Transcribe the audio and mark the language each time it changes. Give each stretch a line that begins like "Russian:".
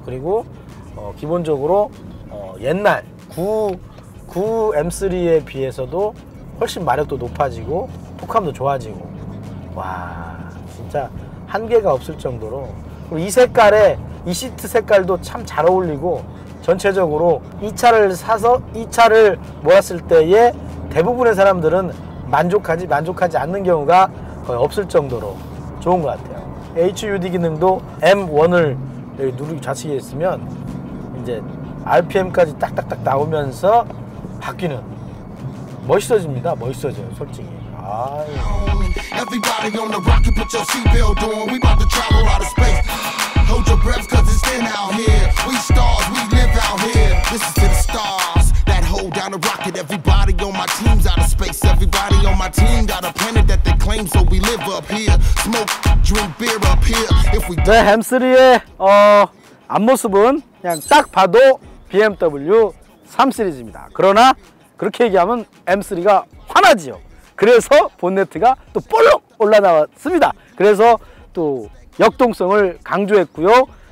Korean: 그리고 기본적으로 옛날 9 M3에 비해서도 훨씬 마력도 높아지고 폭함도 좋아지고 와 진짜 한계가 없을 정도로 이 색깔에 이 시트 색깔도 참 잘 어울리고 전체적으로 이 차를 사서 이 차를 몰았을 때에 대부분의 사람들은 만족하지 않는 경우가 거의 없을 정도로 좋은 것 같아요. HUD 기능도 M1을 여기 누르기 좌측에 있으면 이제 RPM까지 딱딱딱 나오면서 바뀌는 멋있어집니다. 멋있어져요 솔직히. 아
English: Everybody on the rocket, put your seatbelt on. We about to travel out of space. Hold your breath, cause it's thin out here. We stars, we live out here. This is to the stars that hold down the rocket. Everybody on my team's out of space. Everybody on my team got a planet that they claim. So we live up here. Smoke, drink beer up here. If we die,
Korean: 햄스리의 앞모습은 그냥 딱 봐도 BMW 3 시리즈입니다. 그러나 그렇게 얘기하면 M3가 화나지요. 그래서 본네트가 또 볼록 올라나왔습니다. 그래서 또 역동성을 강조했고요.